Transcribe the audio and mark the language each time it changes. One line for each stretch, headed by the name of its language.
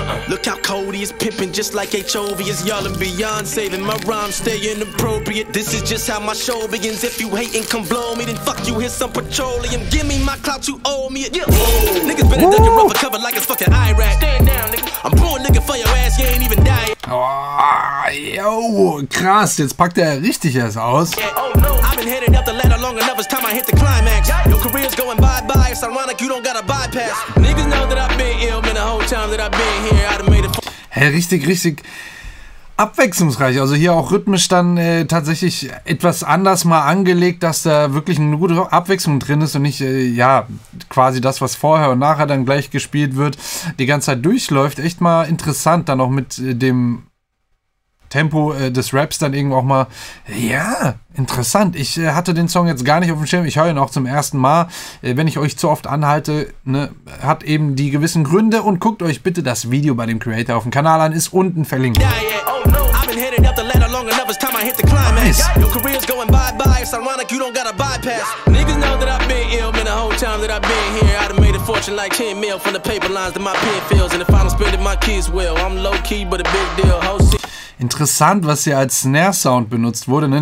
English: Look how Cody is pimping just like HOV is yelling beyond saving my rhymes, staying appropriate. This is just how my show begins. If you hating, come blow me, then fuck you, here's some petroleum. Give me my clout, you owe me it. Yeah. Niggas better duck your rubber cover like it's fucking Iraq. Stand down, nigga. I'm pulling nigga for your ass, you ain't even dying.
German: Oh, yo, krass, jetzt packt er richtig erst aus.
English: I've been heading up the ladder long enough, it's time I hit the climax. Your career's going bye-bye, it's ironic, you don't gotta bypass. Niggas know that I've been ill, been the whole time that I've been here, I'd have made it.
German: Hey, richtig, richtig abwechslungsreich. Also hier auch rhythmisch dann tatsächlich etwas anders mal angelegt, dass da wirklich eine gute Abwechslung drin ist und nicht, ja, quasi das, was vorher und nachher dann gleich gespielt wird, die ganze Zeit durchläuft. Echt mal interessant, dann auch mit dem Tempo des Raps dann irgendwo auch mal, ja, interessant. Ich hatte den Song jetzt gar nicht auf dem Schirm. Ich höre ihn auch zum ersten Mal. Wenn ich euch zu oft anhalte, ne, hat eben die gewissen Gründe und guckt euch bitte das Video bei dem Creator auf dem Kanal an, ist unten verlinkt.
English: Yeah, yeah. Headed up the ladder long enough, it's time I hit the climax. Nice. Your career's going bye-bye, it's ironic you don't gotta bypass. Yeah. Niggas know that I've been ill, been the whole time that I've been here. I'd have made a fortune like 10 mil from the paper lines to my pen fields. And if I don't spend it, my kids will. I'm low-key, but a big deal.
German: Interessant, was hier als Snare-Sound benutzt wurde, ne?